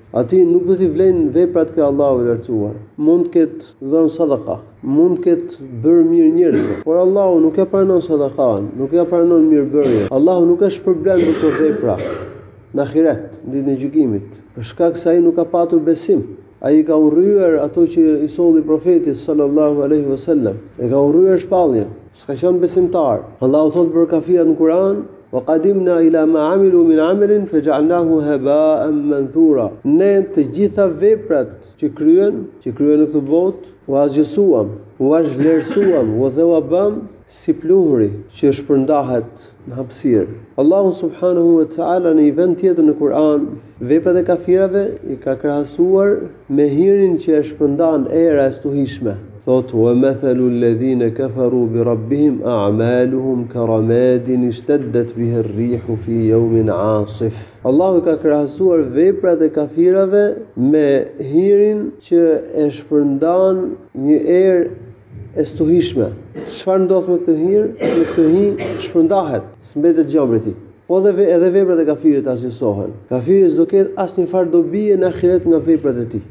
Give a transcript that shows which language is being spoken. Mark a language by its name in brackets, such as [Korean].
[Albanian] Ati nuk do t'i vlejnë veprat ke Allahu i lartësuar. Mund ketë dhënë sadaka, mund ketë bërë mirë njerëzve, por Allahu nuk e pranon sadakan, nuk e pranon mirëbërje. Allahu nuk e shpërblen për të vepra në ahiret, në ditën e gjykimit, për shkak se ai nuk ka patur besim. Ai ka urryer ato që i solli profeti sallallahu alaihi wasallam. E ka urryer shpallje, s'ka qenë besimtar. Allahu thotë për kafirat në Kur'an, [Arabic] وقدمنا الى ما عملوا من عمل فجعلناه هباء منثورا. [Albanian] Ne të gjitha veprat që kryen, në këtë botë, u azgjësuam, u azhvlerësuam, u dhe u bëm si pluhuri që shpërndahet në hapësirë. Allahu subhanahu wa ta'ala në një vend tjetër në Kur'an, veprat e kafirave i ka krahasuar me hirin që e shpërndan era e stuhishme. Thot, [Arabic] ومثل الذين كفروا بربهم أعمالهم كرماد اشتدت به الريح في يوم عاصف. [Albanian] Allahu ka krahasuar veprat e kafirave me hirin që e shpërndan një erë e stuhishme. Çfarë ndodh me këtë hirë? Me këtë hirë shpërndahet, s'mbetet gjumri i tij. Po dhe edhe veprat e kafirit asnjësohen. Kafiri s'do ketë asnjë farë dobije në ahiret nga veprat e tij.